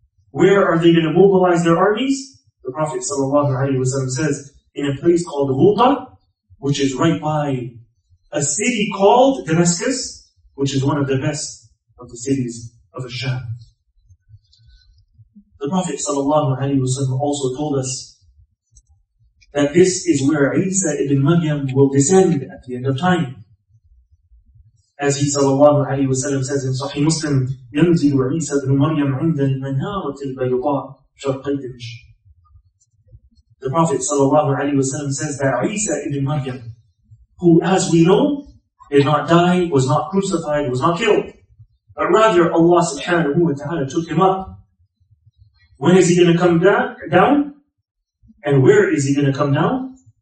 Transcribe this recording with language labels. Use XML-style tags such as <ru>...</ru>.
<en>Where are they going to mobilize their armies? The Prophet sallallahu alayhi wa sallam says, in a place called Ghouta, which is right by a city called Damascus, which is one of the best of the cities of Asham. The Prophet ﷺ also told us that this is where Isa ibn Maryam will descend at the end of time. As he ﷺ says in Sahih Muslim,</en> <ar>يَنْزِلُ عِيسَى ابْنُ مَرْيَمْ عِنْدَ الْمَنَارَةِ الْبَيْضَاءِ شَرْقَ الدَّمْشِ.</ar> <en>The Prophet ﷺ says that Isa ibn Maryam, who as we know, did not die, was not crucified, was not killed, but rather Allah subhanahu wa ta'ala took him up. When is he going to come down? And where is he going to come down?</en>